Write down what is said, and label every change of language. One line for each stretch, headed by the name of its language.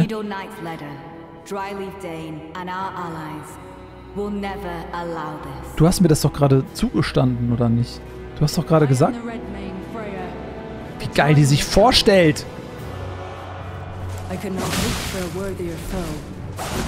English: Needle Knight's letter, Dryleaf Dane and our allies will never allow this.
German: Du hast mir das doch gerade zugestanden, oder nicht? Du hast doch gerade gesagt, wie geil die sich vorstellt.
English: I could not look for a worthier foe.